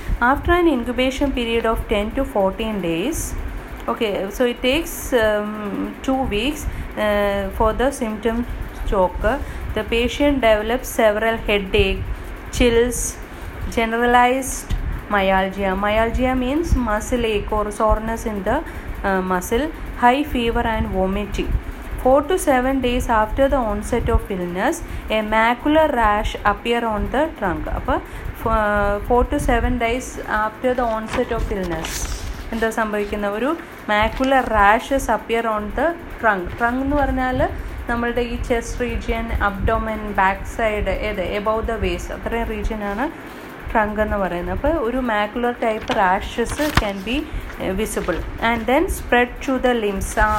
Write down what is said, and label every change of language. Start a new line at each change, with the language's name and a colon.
English: After an incubation period of 10 to 14 days. Okay, so it takes 2 weeks for the symptom ചോക്ക്. The patient develops several headache, chills, generalized myalgia. Myalgia means muscle ache or soreness in the muscle, high fever and vomiting. 4 to 7 days after the onset of illness, a macular rash appears on the trunk. Appa, 4 to 7 days after the onset of illness.
Malayalam: എന്താ സംഭവിക്കുന്ന
English: ഒരു macular rashes appear on the trunk.
Malayalam: Trunk എന്ന് പറഞ്ഞാൽ നമ്മളുടെ ഈ chest region, abdomen, back side,
English: ഏത് above the waist
Malayalam: അത്രയും റീജിയനാണ് trunk എന്ന് പറയുന്നത്. അപ്പോൾ ഒരു
English: Macular type rashes can be visible and then spread to the limbs.